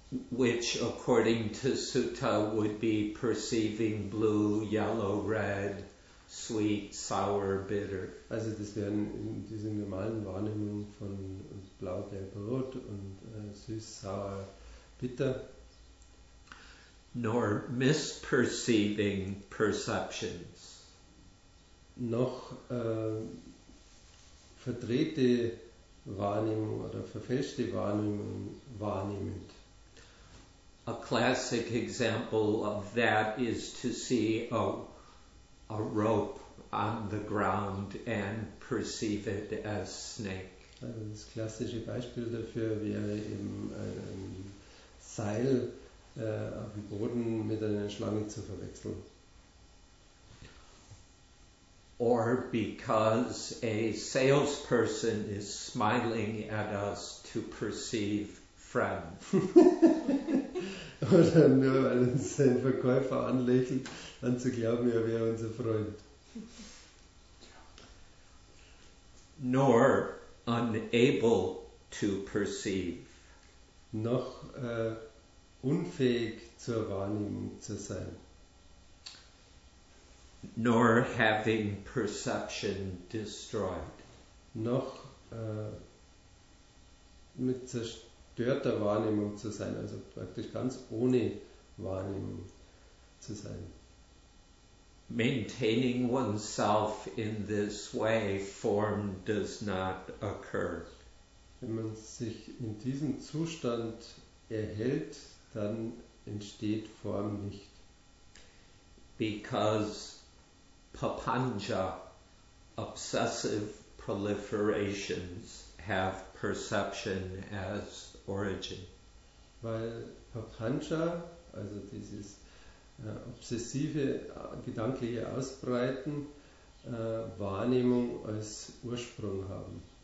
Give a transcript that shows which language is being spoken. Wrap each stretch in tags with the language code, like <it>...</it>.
<en>which according to Sutta would be perceiving blue, yellow, red, sweet, sour, bitter.</en> <de>Also das wären in diesen normalen Wahrnehmungen von blau, gelb, rot und süß, sauer, bitter.</de> <en>Nor misperceiving perceptions.</en> <de>Noch verdrehte Wahrnehmung oder verfälschte Wahrnehmung wahrnehmend.</de> <en>A classic example of that is to see a rope on the ground and perceive it as snake.</en> <de>Also das klassische Beispiel dafür wäre eben ein Seil auf dem Boden mit einer Schlange zu verwechseln.</de> <en>Or because a salesperson is smiling at us to perceive friends.</en> <de>Oder nur weil uns sein Verkäufer anlächelt, dann zu glauben, er wäre unser Freund.</de> <en>Nor unable to perceive.</en> <de>Noch unfähig zur Wahrnehmung zu sein.</de> <en>Nor having perception destroyed.</en> <de>Noch mit zerstörter Wahrnehmung zu sein, also praktisch ganz ohne Wahrnehmung zu sein.</de> <en>Maintaining oneself in this way, form does not occur.</en> <de>Wenn man sich in diesem Zustand erhält, dann entsteht Form nicht.</de> <en>Because Papanja, obsessive proliferations, have perception as origin.</en> <de>Weil Papanja, also dieses obsessive gedankliche Ausbreiten, Wahrnehmung als Ursprung haben.</de>